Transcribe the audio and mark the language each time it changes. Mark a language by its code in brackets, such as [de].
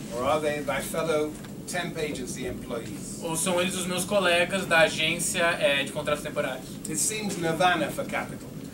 [en] Or are they my fellow temp agency employees? [pt] Ou são eles os meus colegas da agência de contratos temporários? [en] It seems nirvana for capital.